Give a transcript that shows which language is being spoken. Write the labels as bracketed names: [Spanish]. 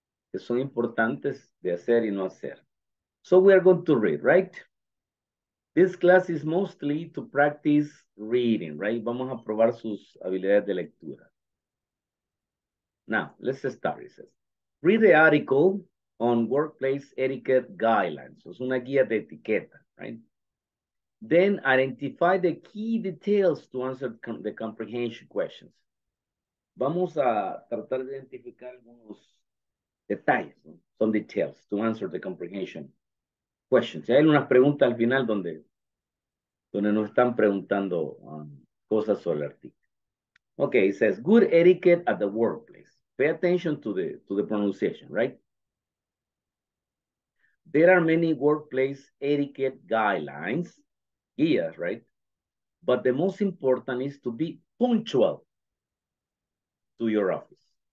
[Spanish] Que son importantes de hacer y no hacer. [English] So we are going to read, right? This class is mostly to practice reading, right? [Spanish] Vamos a probar sus habilidades de lectura. [English] Now, let's start, it says. Read the article on workplace etiquette guidelines. So [Spanish] es una guía de etiqueta, [English] right? Then identify the key details to answer the comprehension questions. [Spanish] Vamos a tratar de identificar algunos detalles, ¿no? [English] Some details to answer the comprehension questions. [Spanish] Y hay unas preguntas al final donde, nos están preguntando cosas sobre el artículo. [English] Okay, it says, good etiquette at the workplace. Pay attention to the, pronunciation, right? There are many workplace etiquette guidelines, guías, right? But the most important is to be punctual to your office.